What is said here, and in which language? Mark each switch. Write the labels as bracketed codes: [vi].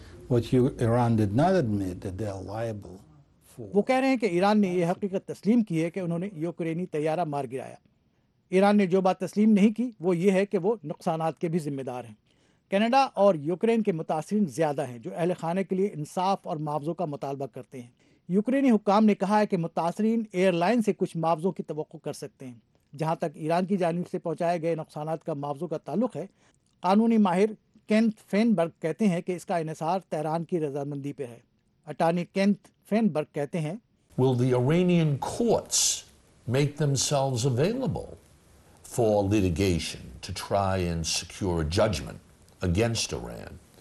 [en] What Iran did not admit that they are liable for. [ur] وہ کہہ رہے ہیں کہ ایران نے یہ حقیقت تسلیم کی ہے کہ انہوں نے یوکرینی طیارہ مار گرایا۔ ایران نے جو بات تسلیم نہیں کی وہ یہ ہے کہ وہ نقصانات کے بھی ذمہ دار ہیں۔ کینیڈا اور یوکرین کے متاثرین زیادہ ہیں، جو اہل خانے کے لیے انصاف اور معاوضوں کا مطالبہ کرتے ہیں۔ یوکرینی حکام نے کہا ہے کہ متاثرین ایئر لائن سے کچھ معاوضوں کی توقع کر سکتے ہیں۔ جہاں تک ایران کی جانب سے پہنچائے گئے نقصانات کا معاوضوں کا تعلق ہے، قانونی ماہر کینت فینبرگ کہتے ہیں کہ اس کا انحصار تہران کی رضامندی پہ ہے۔ اٹارنی کینت فینبرگ کہتے ہیں، [en] Will the Iranian courts make themselves available for litigation to try and secure a judgment against Iran?